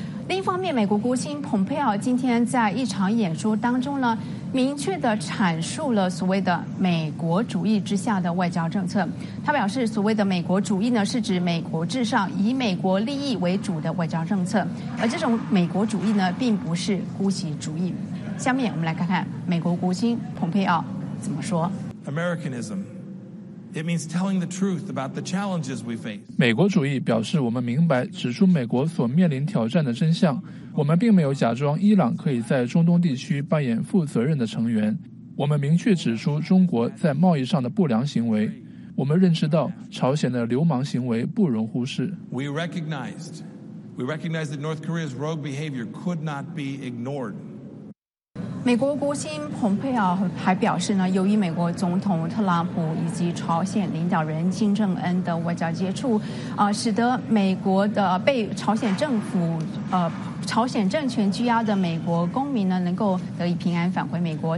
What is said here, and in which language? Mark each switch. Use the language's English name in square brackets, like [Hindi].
[Chinese] 另一方面，美国国务卿蓬佩奥今天在一场演说当中呢明确地阐述了所谓的美国主义之下的外交政策。他表示所谓的美国主义呢是指美国至上以美国利益为主的外交政策，而这种美国主义呢并不是姑息主义。下面我们来看看美国国务卿蓬佩奥怎么说。 [English] Americanism, it means telling the truth about the challenges we face. [Chinese] 美国主义表示我们明白指出美国所面临挑战的真相，我们并没有假装伊朗可以在中东地区扮演负责任的成员，我们明确指出中国在贸易上的不良行为，我们认识到朝鲜的流氓行为不容忽视。 [English] We recognized that North Korea's rogue behavior could not be ignored. [Chinese] 美国国务卿蓬佩奥还表示呢，由于美国总统特朗普以及朝鲜领导人金正恩的外交接触，使得美国的被朝鲜政府朝鲜政权拘押的美国公民呢能够得以平安返回美国。